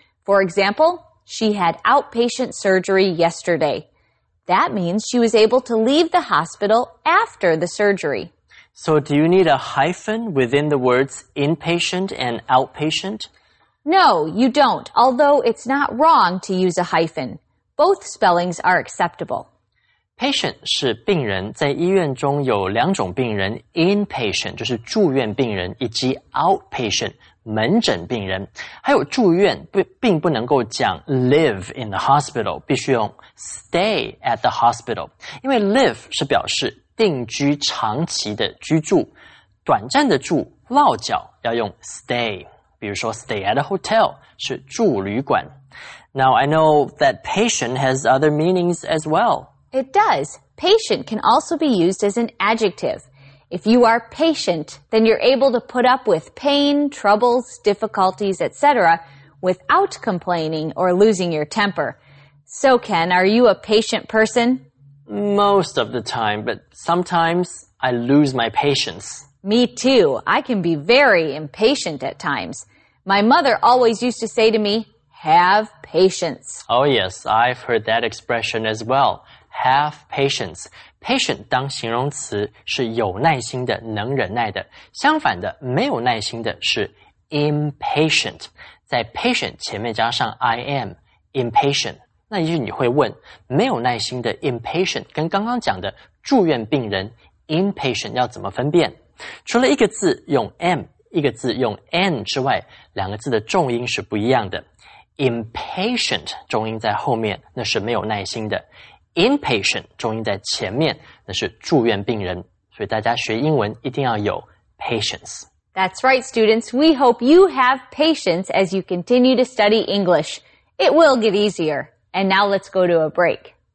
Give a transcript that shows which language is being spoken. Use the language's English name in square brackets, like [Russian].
[English] For example, she had outpatient surgery yesterday. That means she was able to leave the hospital after the surgery. So do you need a hyphen within the words inpatient and outpatient? No, you don't, although it's not wrong to use a hyphen. Both spellings are acceptable. [Chinese] Patient 是病人，在医院中有两种病人 ，inpatient 就是住院病人，以及 outpatient 门诊病人。还有住院并不能够讲 [English] live in the hospital， [Chinese] 必须用 [English] stay at the hospital， [Chinese] 因为 live 是表示定居、长期的居住，短暂的住、落脚要用 stay。比如说 [English] stay at a hotel [Chinese] 是住旅馆。 [English] Now I know that patient has other meanings as well. It does. Patient can also be used as an adjective. If you are patient, then you're able to put up with pain, troubles, difficulties, etc. without complaining or losing your temper. So, Ken, are you a patient person? Most of the time, but sometimes I lose my patience. Me too. I can be very impatient at times. My mother always used to say to me, have patience. Oh yes, I've heard that expression as well. Have patience. [Chinese] Patient 当形容词是有耐心的，能忍耐的。相反的，没有耐心的是 impatient。在 patient 前面加上 im, impatient。那也许你会问，没有耐心的 impatient 跟刚刚讲的住院病人 impatient 要怎么分辨？除了一个字用 m, 一个字用 n 之外，两个字的重音是不一样的。 impatient 重音在后面，那是没有耐心的。 inpatient 重音在前面，那是住院病人。所以大家学英文一定要有 patience。 [English] That's right, students. We hope you have patience as you continue to study English. It will get easier. And now let's go to a break.